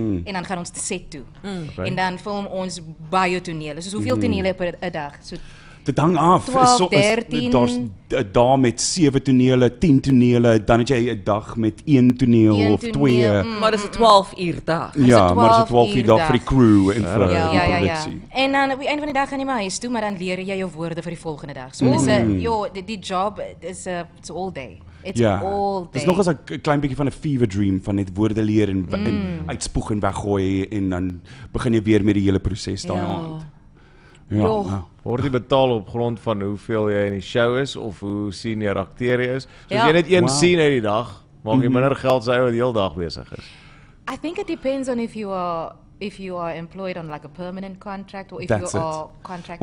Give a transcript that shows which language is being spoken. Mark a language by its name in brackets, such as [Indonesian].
[Afrikaans] En dan gaan ons te set toe. En dan film ons baie tonele. So hoeveel tonele per dag? So Dit hang af. 12, 13. Daar's 'n dag met 7 tonele, 10 tonele, dan het jy 'n dag met 1 toneel of 2. Maar dis 'n 12 uur dag. Ja, maar dis 'n 12 uur dag vir die crew en vir die produksie. En dan op die einde van die dag gaan jy maar huis toe, maar dan leer jy jou woorde vir die volgende dag. So is 'n die job is 'n [English] it's all day. It's all day. [Afrikaans] Dis nog as 'n klein bietjie van 'n fever dream van net woorde leer en, en uitspoeg en weggooi en dan begin jy weer met die hele proses daarna. Word jy betaal op grond van hoeveel jy in die show is of hoe senior akteur jy is? So as jy net een scene uit die dag, maak jy minder geld as jy wat die hele dag besig is. [English] I think it depends on if you are employed on like a permanent contract or if That's you are contracted.